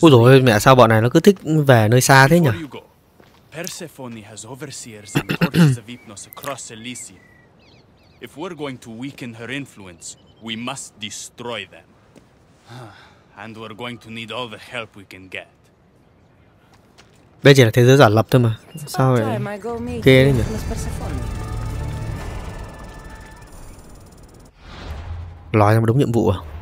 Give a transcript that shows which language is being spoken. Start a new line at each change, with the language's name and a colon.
Vietnamese: Ôi dồi, mẹ sao bọn này nó cứ thích về nơi xa thế nhỉ?
English: Persephone has overseers and courtesans of Hypnos across Elysium. If we're going to weaken her influence, we must destroy them. And we're going to need all the help we can get.
Vietnamese: Bây giờ là thế giới giả lập thôi mà. Sao vậy? Ghê đấy nhỉ? lòi ra một đống nhiệm vụ à?